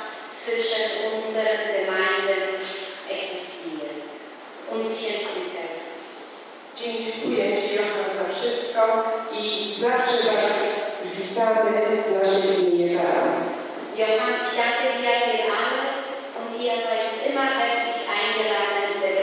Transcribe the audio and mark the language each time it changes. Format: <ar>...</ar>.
<de>zwischen unseren Gemeinden existiert. Und sie entwickelt.</de> <pl>Dziękuję Ci, Johann, za wszystko i zawsze Was witamy dla Ziemi Niebranych.</pl> <de>Johann, ich danke dir für alles und ihr seid immer herzlich eingeladen.</de>